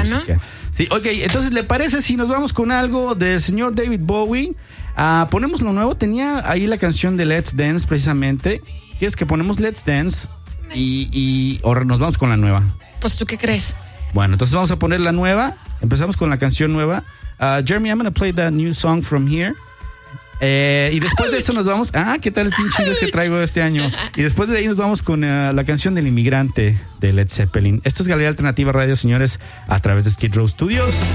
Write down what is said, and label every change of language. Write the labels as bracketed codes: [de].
[es] música, ¿no? Sí, okay, entonces, ¿le parece si nos vamos con algo del señor David Bowie? Ponemos lo nuevo, tenía ahí la canción de Let's Dance precisamente. ¿Quieres que ponemos Let's Dance y ahora nos vamos con la nueva? Pues, ¿tú qué crees? Bueno, entonces vamos a poner la nueva. Empezamos con la canción nueva. [en] Jeremy, I'm going to play that new song from here. [es] Y después de eso nos vamos... Ah, ¿qué tal el pinche inglés que traigo este año? Y después de ahí nos vamos con la canción del inmigrante de Led Zeppelin. Esto es Galería Alternativa Radio, señores, a través de Skid Row Studios.